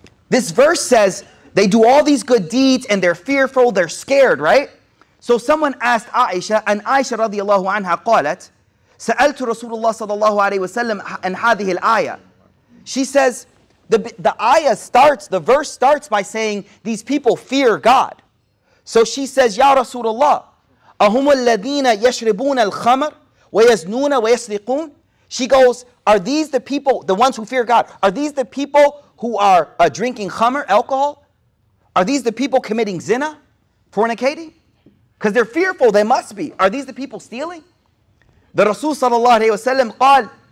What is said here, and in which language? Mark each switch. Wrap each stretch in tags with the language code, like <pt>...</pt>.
<en>This verse says they do all these good deeds and they're fearful, they're scared, right? So someone asked Aisha, and Aisha radiallahu anha qalat,</en> <ar>سألت رسول الله صلى الله عليه وسلم عن هذه الآية.</ar> <en>She says, the verse starts by saying, these people fear God. So she says,</en> <ar>يا رسول الله, أهم الذين يشربون الخمر ويزنون ويسرقون.</ar> <en>She goes, are these the people, the ones who fear God, are these the people who are drinking khamr, alcohol? Are these the people committing zina, fornicating? Because they're fearful, they must be. Are these the people stealing? The Rasul sallallahu alayhi wa sallam qal,</en>